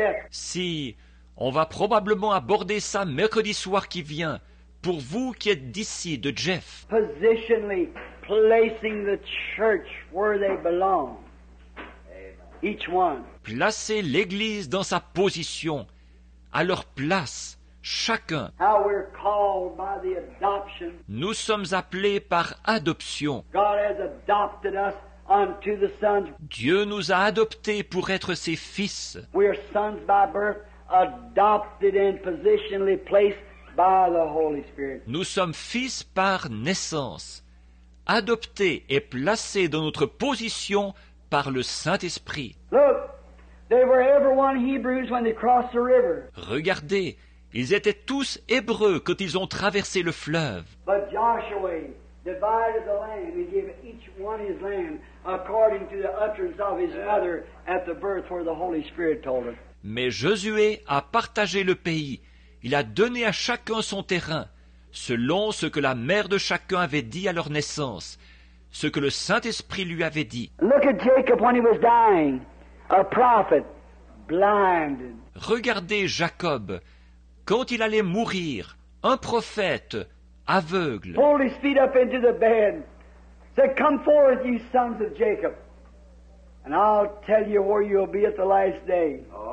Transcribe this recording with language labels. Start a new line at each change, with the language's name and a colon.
French: Si on va probablement aborder ça mercredi soir qui vient, pour vous qui êtes d'ici, de Jeff.
English: Positionally placing the church where they belong. Each one.
French: Placer l'Église dans sa position, à leur place, chacun.
English: How we're called by the adoption.
French: Nous sommes appelés par adoption.
English: God has adopted us unto the sons.
French: Dieu nous a adoptés pour être ses fils.
English: We are sons by birth, adopted and positionally placed by the Holy Spirit.
French: Nous sommes fils par naissance, adoptés et placés dans notre position par le Saint-Esprit.
English: Look, they were everyone Hebrews when they crossed the river.
French: Regardez, ils étaient tous hébreux quand ils ont traversé le fleuve.
English: But Joshua divided the land and gave each one his land according to the utterance of his mother at the birth where the Holy Spirit told him.
French: Mais Josué a partagé le pays. Il a donné à chacun son terrain, selon ce que la mère de chacun avait dit à leur naissance, ce que le Saint-Esprit lui avait dit.
English: Look at Jacob when he was dying, a prophet, blinded.
French: Regardez Jacob, quand il allait mourir, un prophète, aveugle.
English: Pulled his feet up into the bed, said, "Come forth, you sons of Jacob, and I'll tell you where you'll be at the last day."